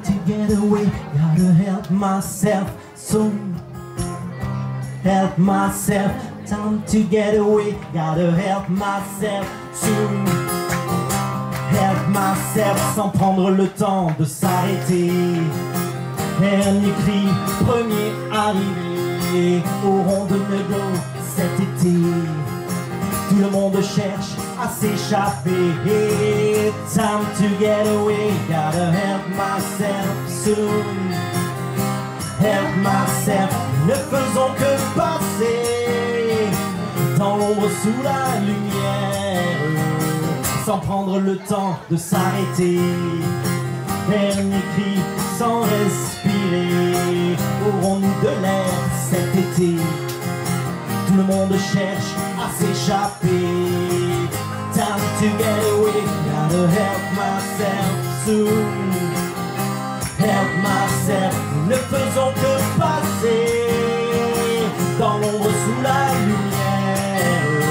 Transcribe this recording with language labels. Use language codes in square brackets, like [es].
[en] get away, gotta help myself. So help myself, time to get away, gotta help myself soon. Help myself [fr] sans prendre le temps de s'arrêter. Dernier cri, premier arrivé au rond de Meudon cet été. Tout le monde cherche à s'échapper. [en] Time to get away, gotta help myself soon. Help myself, [fr] ne faisons que passer dans l'ombre sous la lumière, sans prendre le temps de s'arrêter. Dernier cri, sans respirer, aurons-nous de l'air cet été? Tout le monde cherche à s'échapper. [en] Time to get away, gotta help myself soon. Help myself, [fr] ne faisons que passer dans l'ombre sous la lumière.